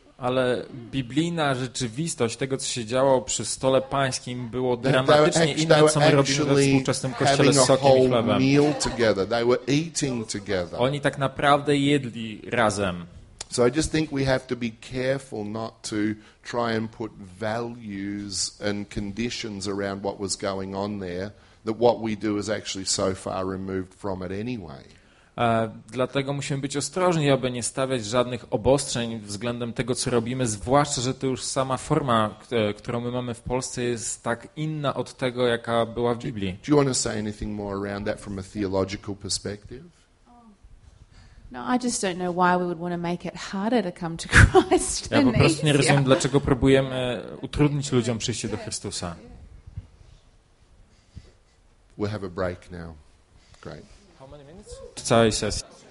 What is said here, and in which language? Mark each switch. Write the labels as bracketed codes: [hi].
[pl] Ale biblijna rzeczywistość tego, co się działo przy stole pańskim, było dramatycznie inne, co my robimy we współczesnym kościele z sokiem i chlebem. Oni tak naprawdę jedli razem. [en] So I just think we have to be careful not to try and put values and conditions around what was going on there, that what we do is actually so far removed from it anyway. [pl] Dlatego musimy być ostrożni, aby nie stawiać żadnych obostrzeń względem tego, co robimy, zwłaszcza, że to już sama forma, którą my mamy w Polsce, jest tak inna od tego, jaka była w Biblii. [en] Do you want to say anything more around that from a theological perspective? No, I just don't know why we would want to make it harder to come to Christ. [pl] Ja po prostu nie rozumiem, dlaczego próbujemy utrudnić ludziom przyjście do Chrystusa. [en] We have a break now. Great. [pl] W całej sesji.